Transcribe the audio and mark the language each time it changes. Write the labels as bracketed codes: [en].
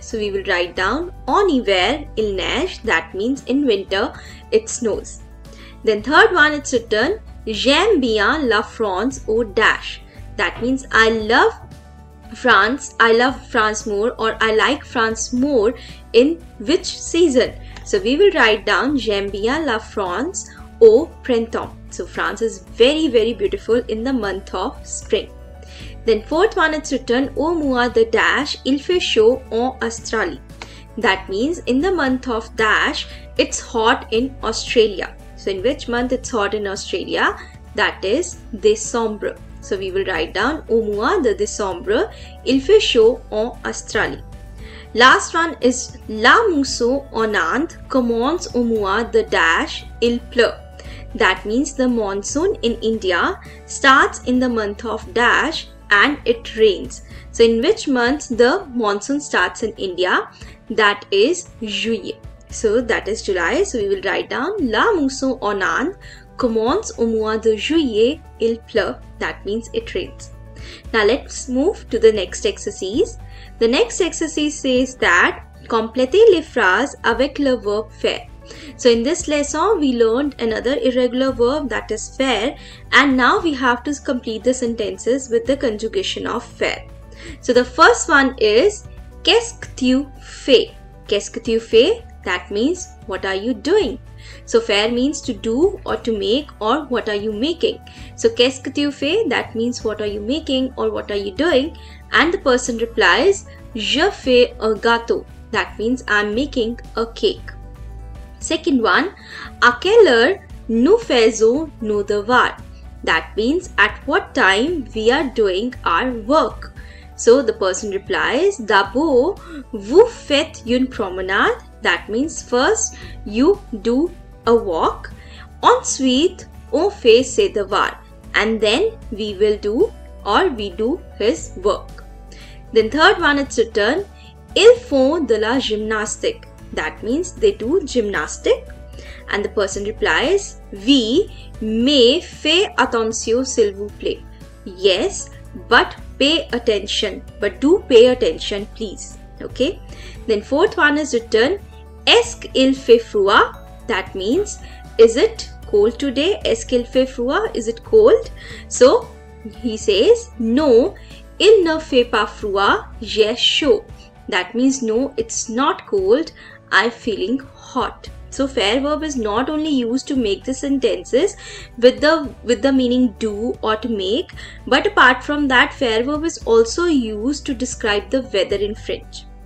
[en] So we will write down [fr] en hiver il neige. [en] That means in winter it snows. Then third one, it's written [fr] j'aime bien la France au [en] dash. That means I love France more or I like France more in which season? So we will write down [fr] j'aime bien la France au printemps. [en] So France is very very beautiful in the month of spring. Then fourth one, it's written [fr] au mois de dash il fait chaud en Australie. [en] That means in the month of dash it's hot in Australia. So in which month it's hot in Australia? That is décembre. So we will write down [fr] au mois de décembre il fait chaud en Australie. [en] Last one is [fr] la mousson en Inde commence au mois de dash il pleut. [en] That means the monsoon in India starts in the month of dash and it rains. So in which month the monsoon starts in India? That is juillet. So that is July. So we will write down [fr] la mousson en Inde commence au mois de juillet il pleut. [en] That means it rains. Now let's move to the next exercise. The next exercise says that [fr] complétez les phrases avec le verb faire. [en] So in this lesson we learned another irregular verb, that is faire, and now we have to complete the sentences with the conjugation of faire. So the first one is [fr] qu'est-ce que tu fais? Qu'est-ce que tu fais? [en] That means what are you doing? So faire means to do or to make or what are you making. So [fr] qu'est-ce que tu fais? [en] That means what are you making or what are you doing? And the person replies [fr] je fais un gâteau. [en] That means I'm making a cake. Second one, [fr] à quelle heure nous faisons nos devoirs? [en] That means at what time we are doing our work. So the person replies [fr] d'abord vous faites une promenade. [en] That means first you do a walk, [fr] ensuite on fait ses devoirs, [en] and then we will do or we do his work. Then third one, it's written [fr] ils font de la gymnastique. [en] That means they do gymnastic, and the person replies [fr] oui mais fais attention s'il vous plaît. [en] Yes, but pay attention, but do pay attention please. Okay, then fourth one is written [fr] est-ce qu'il fait froid? [en] That means is it cold today? [fr] Est-ce qu'il fait froid? [en] Is it cold? So he says no, il ne fait pas froid, j'ai chaud. That means no, it's not cold, I'm feeling hot. So faire verb is not only used to make the sentences with the meaning do or to make, but apart from that faire verb is also used to describe the weather in French.